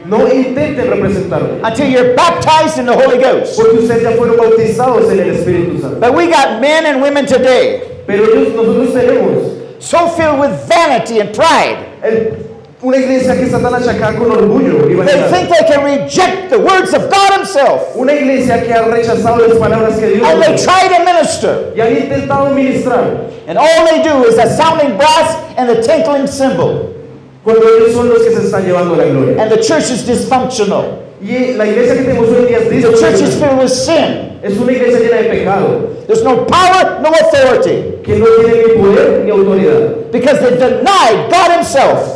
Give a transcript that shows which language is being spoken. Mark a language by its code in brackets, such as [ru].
[es] No intenten representarme. [en] Until you're baptized in the Holy Ghost. [es] Porque ustedes ya fueron bautizados en el Espíritu Santo. [en] But we got men and women today. [es] Pero nosotros tenemos. [en] So filled with vanity and pride. [es] Una iglesia que está tan achacada con orgullo y vanidad. [en] They think they can reject the words of God Himself. [es] Una iglesia que ha rechazado las palabras que Dios. [en] And they try to minister. [es] Y han intentado ministrar. [en] And all they do is a sounding brass and a tinkling cymbal. [es] Cuando ellos son los que se están llevando la gloria. [en] And the church is dysfunctional. [es] Y la iglesia que tenemos hoy en día es dysfunctional. [en] The church is filled with sin. [es] Es una iglesia llena de pecado. [en] There's no power, no authority. [es] Que no tiene ni poder ni autoridad. [en] Because they denied God Himself.